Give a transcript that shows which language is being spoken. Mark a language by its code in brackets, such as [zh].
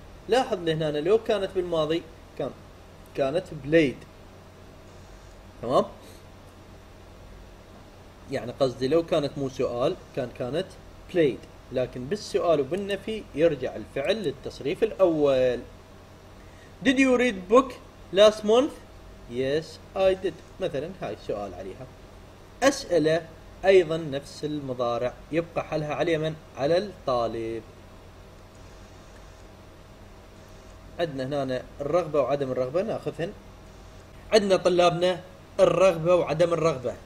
[ar] لاحظ لهنا لو كانت بالماضي كانت played. تمام؟ يعني قصدي لو كانت مو سؤال كانت played، لكن بالسؤال وبالنفي يرجع الفعل للتصريف الأول. [en] did you read book last month؟ yes I did. [ar] مثلا هاي سؤال عليها. أسئلة أيضا نفس المضارع، يبقى حلها على من؟ على الطالب. عندنا هنا الرغبة وعدم الرغبة ناخذهن. عندنا طلابنا الرغبة وعدم الرغبة.